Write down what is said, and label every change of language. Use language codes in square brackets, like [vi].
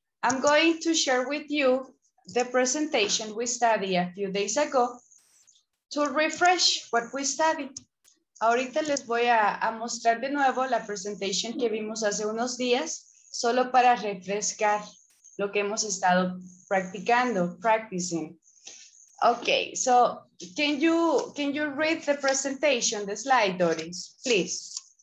[en] I'm going to share with you the presentation we studied a few days ago to refresh what we studied. [es] Ahorita les voy a mostrar de nuevo la presentación que vimos hace unos días, solo para refrescar lo que hemos estado practicando, [en] practicing. Okay, so can you read the presentation, the slide, Doris, please?